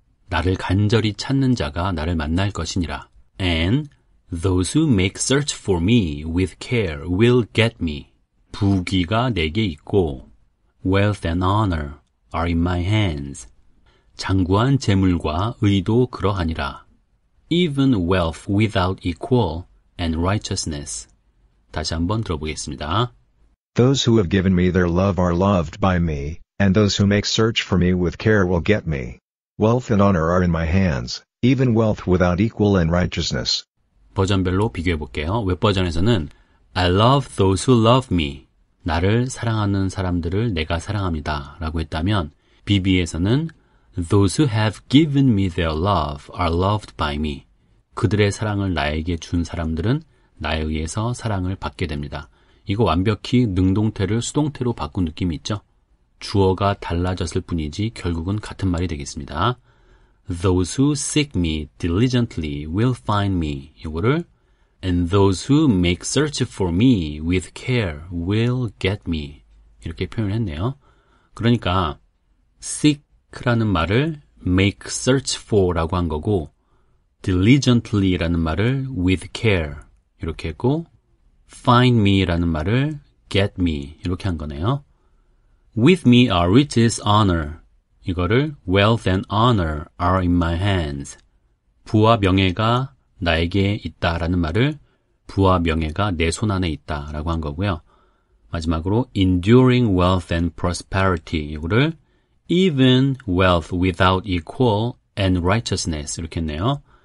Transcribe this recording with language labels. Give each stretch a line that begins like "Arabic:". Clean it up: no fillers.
Korean: 나를 간절히 찾는 자가 나를 만날 것이니라.
English: And those who make search for me with care will get me.
Korean: 부귀가 내게 있고
English: wealth and honor are in my hands.
Korean: 장구한 재물과 의도 그러하니라.
English: Even wealth without equal and righteousness.
Korean: 다시 한번 들어보겠습니다.
English: Those who have given me their love are loved by me, and those who make search for me with care will get me. Wealth and honor are in my hands, even wealth without equal and righteousness.
Korean: 버전별로 비교해 볼게요. 웹 버전에서는
English: I love those who love me.
Korean: 나를 사랑하는 사람들을 내가 사랑합니다. 라고 했다면 BB에서는
English: Those who have given me their love are loved by me.
Korean: 그들의 사랑을 나에게 준 사람들은 나에 의해서 사랑을 받게 됩니다. 이거 완벽히 능동태를 수동태로 바꾼 느낌이 있죠? 주어가 달라졌을 뿐이지 결국은 같은 말이 되겠습니다.
English: Those who seek me diligently will find me.
Korean: 이거를
English: And those who make search for me with care will get me.
Korean: 이렇게 표현했네요. 그러니까 seek라는 말을 make search for라고 한 거고 diligently라는 말을 with care 이렇게 했고 find me라는 말을 get me 이렇게 한 거네요.
English: With me are riches, honor.
Korean: 이거를
English: wealth and honor are in my hands.
Korean: 부와 명예가 나에게 있다라는 말을 부와 명예가 내 손 안에 있다라고 한 거고요. 마지막으로
English: enduring wealth and prosperity.
Korean: 이거를
English: even wealth without equal and righteousness
Korean: 이렇게 했네요.